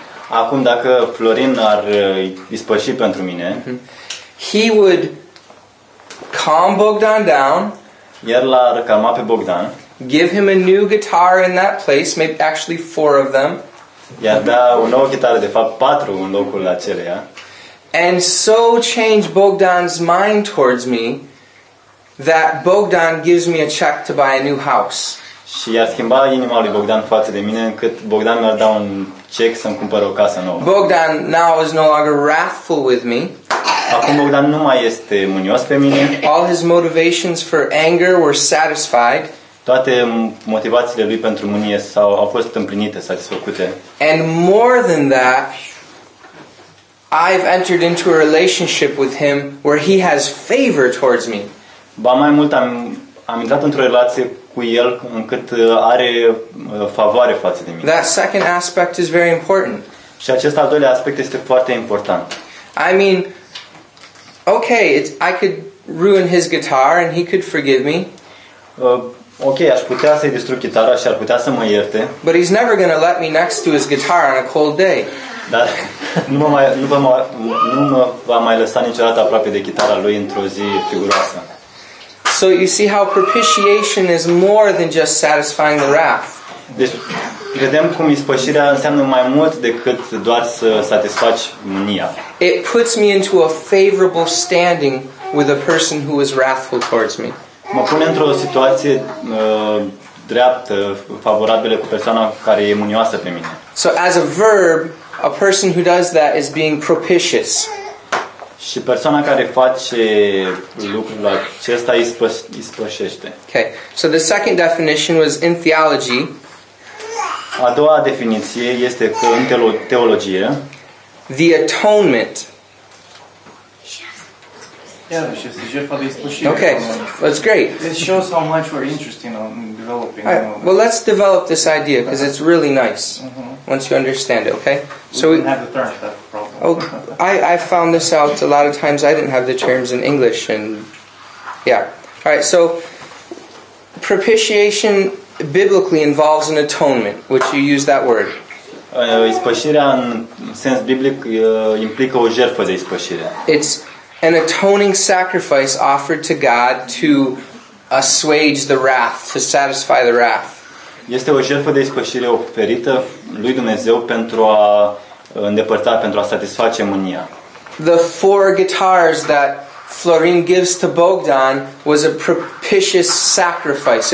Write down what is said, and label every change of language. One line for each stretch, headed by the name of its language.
Romanian: acum dacă Florin ar ispăși pentru mine,
English: he would calm Bogdan down,
Romanian: iar l-ar calma pe Bogdan,
English: give him a new guitar in that place, maybe actually four of them,
Romanian: i-ar da o nouă chitară, de fapt patru în locul acelea,
English: and so change Bogdan's mind towards me, that Bogdan gives me a check to buy a new house.
Romanian: Și i-a schimbat inima lui Bogdan față de mine încât Bogdan mi-ar da un check să-mi cumpăr o casă nouă.
English: Bogdan now is no longer wrathful with me.
Romanian: Acum Bogdan nu mai este mânios pe mine.
English: All his motivations for anger were satisfied.
Romanian: Toate motivațiile lui pentru mânie au fost împlinite, satisfăcute.
English: And more than that, I've entered into a relationship with him where he has favor towards me.
Romanian: Ba mai mult, am intrat într-o relație cu el încât are favoare față de mine.
English: That second aspect is very important.
Romanian: Și acest al doilea aspect este foarte important.
English: I mean, okay, I could ruin his guitar and he could forgive me.
Romanian: Okay, aș putea să-i distrug chitara și ar putea să mă ierte.
English: But he's never going to let me next to his guitar on a cold day.
Romanian: Dar nu mă va mai lăsa niciodată aproape de chitara lui într-o zi friguroasă.
English: So you see how propitiation is more than just satisfying the wrath.
Romanian: Deci, Vedem cum ispășirea înseamnă mai mult decât doar să satisfaci mânia.
English: It puts me into a favorable standing with a person who is wrathful towards me.
Romanian: Mă pune într-o situație dreaptă, favorabilă cu persoana care e mânioasă pe mine.
English: So as a verb, a person who does that is being propitious.
Romanian: Și persoana care face lucrul acesta ispășește.
English: Okay. So the second definition was in theology.
Romanian: A doua definiție este că în teologie.
English: The atonement. Okay, that's great. It shows how much we're interested in developing. Right. Well, let's develop this idea because it's really nice once you understand it. Okay, so we didn't have the terms. That's the problem. Oh, I found this out a lot of times. I didn't have the terms in English, and yeah. All right, so propitiation biblically involves an atonement, which you use that word.
Romanian: Ispășirea în sens biblic implică o jertfă de ispășire.
English: It's an atoning sacrifice offered to God to assuage the wrath, to satisfy the wrath.
Romanian: Este o jertfă de ispășire oferită lui Dumnezeu pentru a îndepărta, pentru a satisface mânia.
English: The four guitars that Florin gives to Bogdan was a propitious sacrifice.